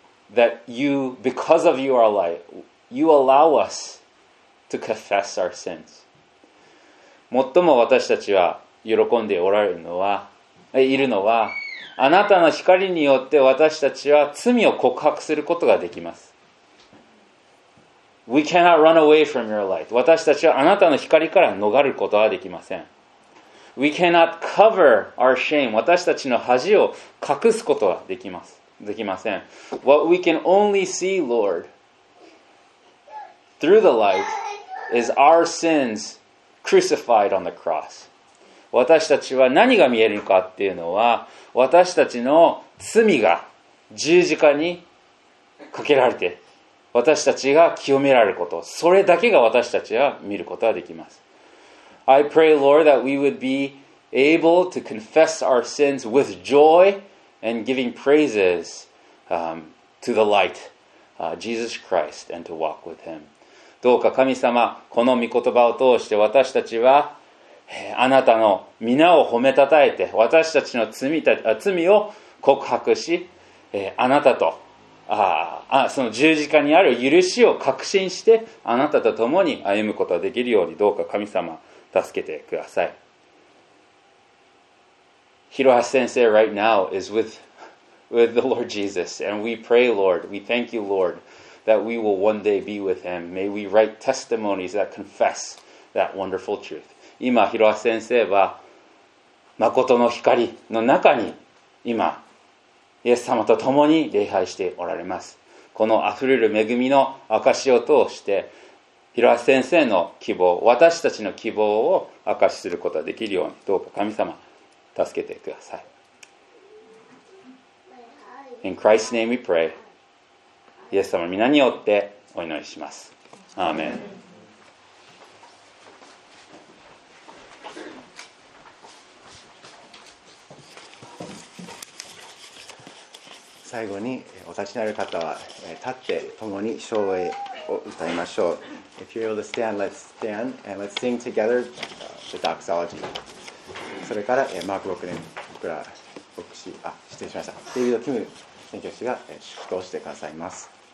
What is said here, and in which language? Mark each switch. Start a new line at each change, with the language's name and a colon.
English: That you, because of your light, you allow us to confess our sins.
Japanese: 最も私たちは喜んでおられるのは、いるのは、あなたの光によって私たちは罪を告白することができます。
English: We cannot run away from your light.
Japanese: 私たちはあなたの光から逃ることはできません。
English: We cannot cover our shame.
Japanese: 私たちの恥を隠すことはできます。できません。
English: What we can only see, Lord, through the light, is our sins crucified on the cross.
Japanese: 私たちは何が見えるかっていうのは、私たちの罪が十字架にかけられて、私たちが清められること、それだけが私たちは見ることができます。
English: I pray, Lord, that we would be able to confess our sins with joy. And giving praises, to the light, Jesus Christ, and to walk with Him.
Japanese: どうか神様、この御言葉を通して私たちは、あなたの皆を褒めたたえて、私たちの罪を告白し、あなたと、その十字架にある許しを確信して、あなたと共に歩むことができるように、どうか神様、助けてください。
English: Hirohashi Sensei right now is with the Lord Jesus. And we pray, Lord, we thank you, Lord, that we will one day be with him. May we write testimonies that confess that wonderful truth.
Japanese: 今、Hirohashi Sensei は、誠の光の中に、今、イエス様と共に礼拝しておられます。この溢れる恵みの証を通して、Hirohashi Sensei の希望、私たちの希望を証しすることができるように、どうか神様、助けてください。
English: In Christ's name we pray.
Japanese: イエス様、皆によってお祈りします。アーメン。最後にお立ちになる方は立って共に唱詠を歌いましょう。
English: If you're able to stand, let's stand and let's sing together the doxology.
Japanese: それからマーク6年僕ら牧師失礼しましたデイビッド・キム宣教師が祝福をしてくださいます。